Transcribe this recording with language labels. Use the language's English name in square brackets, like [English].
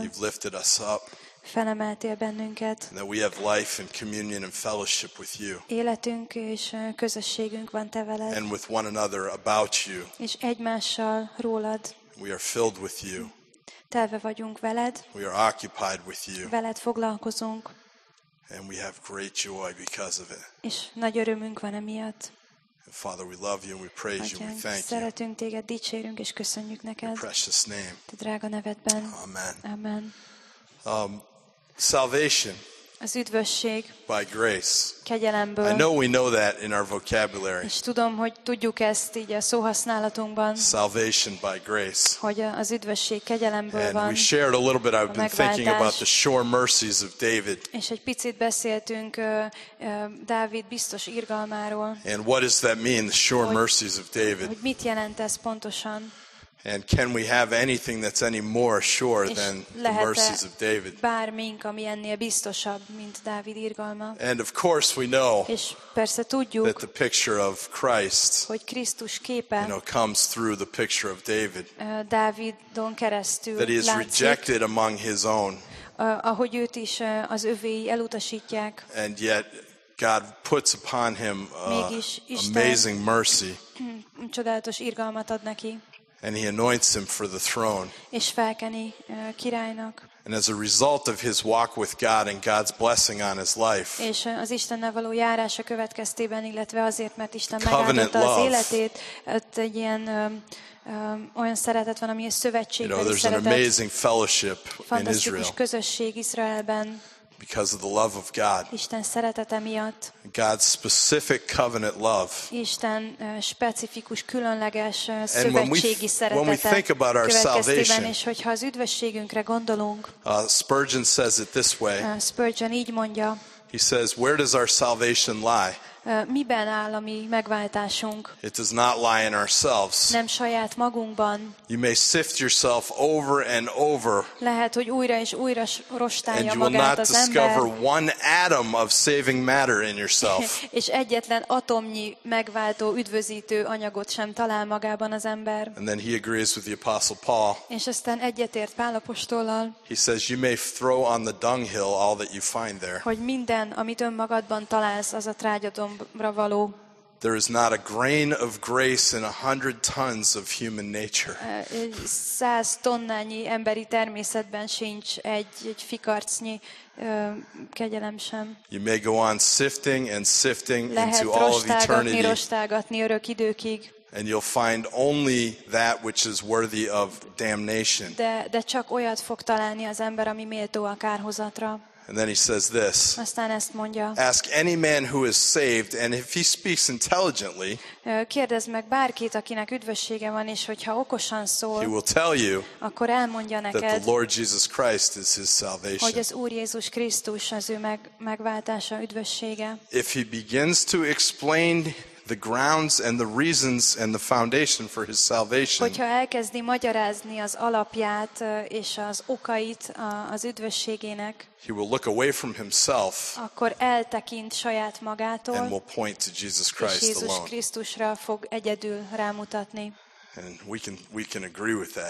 [English] You've lifted us up. [Hungarian] Felemeltél bennünket. [English] And that we have life and communion and fellowship with you. [Hungarian] Életünk és közösségünk van te veled. [English] And with one another about you. [Hungarian] És egymással rólad. [English] We are filled with you. [Hungarian] Telve vagyunk veled. [English] We are occupied with you. [Hungarian] Veled foglalkozunk. [English] And we have great joy because of it. [Hungarian] És nagy örömünk van emiatt. [English] And Father, we love you and we praise you and we thank you. [Hungarian] Szeretünk téged, dicsérünk és köszönjük neked. [English] Precious name. [Hungarian] Te drága nevedben. [English] Amen. [Hungarian] Amen. [English] Salvation. [Hungarian] Az üdvösség. [English] By grace. [Hungarian] Kegyelemből. [English] I know we know that in our vocabulary. [Hungarian] És tudom, hogy tudjuk ezt így a szóhasználatunkban. [English] Salvation by grace. [Hungarian] Hogy az üdvösség kegyelemből van. [English] And we shared a little bit. I've been thinking about the sure mercies of David. [Hungarian] És egy picit beszéltünk Dávid biztos irgalmáról. [English] And what does that mean, the sure mercies of David? [Hungarian] Hogy mit jelent ez pontosan? [English] And can we have anything that's any more sure than the mercies of David? [Hungarian] Bármink, ami ennél biztosabb, mint Dávid irgalma. [English] And of course we know. [Hungarian] És persze tudjuk. [English] That the picture of Christ. [Hungarian] Hogy Krisztus képe. [English] You know, comes through the picture of David. [Hungarian] Dávidon keresztül. [English] That he is rejected among his own. [Hungarian] Ahogy őt is az övéi elutasítják. [English] And yet God puts upon him amazing mercy. [Hungarian] Csodálatos irgalmat ad neki. [English] And he anoints him for the throne. [Hungarian] És felkeni királynak. [English] And as a result of his walk with God and God's blessing on his life. [Hungarian] És az Istennel való járása következtében, illetve azért, mert Isten megáldotta az életét, egy ilyen olyan szeretet van, ami egy szövetség. [English] You know, there's an amazing fellowship in Israel. [Hungarian] Fantasztikus közösség Izraelben. [English] Because of the love of God. [Hungarian] Isten szeretete miatt. [English] God's specific covenant love. [Hungarian] Isten specifikus, különleges szövetségi szeretete. [English] When we think about our salvation. [Hungarian] És hogyha az üdvösségünkre gondolunk. [English] Spurgeon says it this way. [Hungarian] Spurgeon így mondja. [English] He says, where does our salvation lie? [Hungarian] Miben áll a mi megváltásunk? [English] It does not lie in ourselves. [Hungarian] Nem saját magunkban. [English] You may sift yourself over and over. [Hungarian] Lehet, hogy újra és újra rostálja magát az ember. [English] And you will not discover one atom of saving matter in yourself. [Hungarian] És egyetlen atomnyi megváltó, üdvözítő anyagot sem talál magában az ember. [English] And then he agrees with the apostle Paul. [Hungarian] És aztán egyetért Pál apostollal. [English] He says you may throw on the dunghill all that you find there. [Hungarian] Hogy minden, amit önmagadban találsz, az a trágyadon. [English] There is not a grain of grace in 100 tons of human nature. [Hungarian] 100 tonnányi emberi természetben sincs egy fikarcnyi kegyelem sem. [English] You may go on sifting and sifting into all of eternity. [Hungarian] Lehet rostálgatni örök időkig. [English] And you'll find only that which is worthy of damnation. [Hungarian] De csak olyat fog találni az ember, ami méltó a kárhozatra. [English] And then he says this. [Hungarian] Aztán ezt mondja. [English] Ask any man who is saved, and if he speaks intelligently, [Hungarian] kérdezd meg bárkit, akinek üdvössége van, és hogyha okosan szól, [English] he will tell you, [Hungarian] akkor elmondja neked, [English] that the Lord Jesus Christ is his salvation. [Hungarian] Hogy az Úr Jézus Krisztus az ő megváltása, üdvössége. [English] If he begins to explain the grounds and the reasons and the foundation for his salvation. [Hungarian] Hogyha elkezdi magyarázni az alapját és az okait az üdvösségének. [English] He will look away from himself. [Hungarian] Akkor eltekint saját magától. [English] And will point to Jesus Christ alone. [Hungarian] Jézus Krisztusra fog egyedül rámutatni. [English] And we can agree with that.